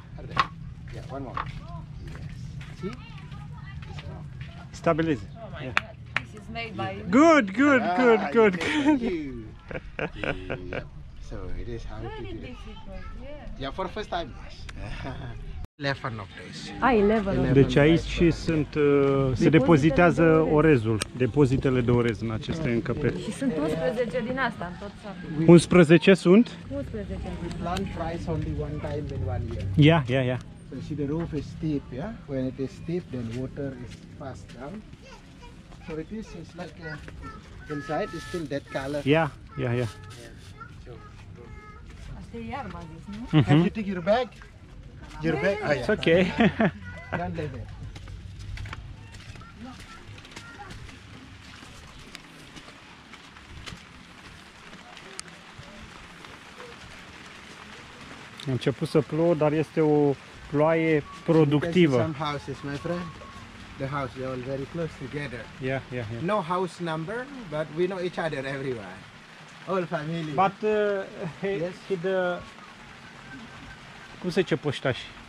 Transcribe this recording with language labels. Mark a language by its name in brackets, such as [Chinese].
[English] Harder. Yeah, 1 more. Yes. See? Stabilize. Oh my god, this is made by you. Good, good, good, good. Thank you. Yeah. So it is how very to do. Difficult, yeah. Yeah, for the first time, yes. 11 of days. Ah, 11 of days. [Romanian] Deci aici și sunt, se depozitează orezul, depozitele de orez în aceste încăperi. Și sunt 11 din asta, în tot satul. 11 sunt? 11. [English] We plant rice only one time in 1 year. Yeah, yeah, yeah. So see the roof is steep, yeah? When it is steep, then water is fast down. So it is, it's like inside is still that color. Yeah, yeah, yeah. Yeah. So, mm-hmm. Can you take your bag? Your bag? Oh, yeah. It's okay. Don't leave it. [Romanian] A început să plouă, dar este o ploaie productivă. [English] Some houses, my friend. The house, they're all very close together. Yeah, yeah, yeah. No house number, but we know each other everywhere. All family. But he the [Romanian] cum se zice poștaș?